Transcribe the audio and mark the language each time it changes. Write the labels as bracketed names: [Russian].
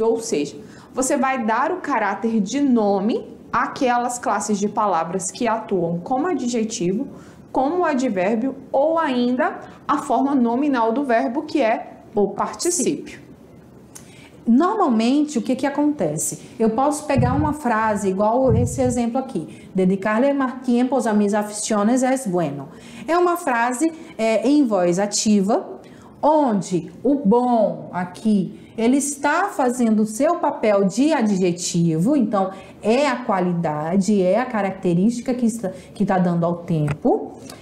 [Portuguese] Ou seja, você vai dar o caráter de nome àquelas classes de palavras que atuam como adjetivo, como advérbio ou ainda a forma nominal do verbo, que é o particípio. Sim. Normalmente, o que acontece? Eu posso pegar uma frase igual esse exemplo aqui. [Spanish] Dedicarle más tiempo a mis aficiones es bueno. [Portuguese] É uma frase em voz ativa, onde o bom aqui, ele está fazendo o seu papel de adjetivo. Então, é a qualidade, é a característica que está dando ao tempo.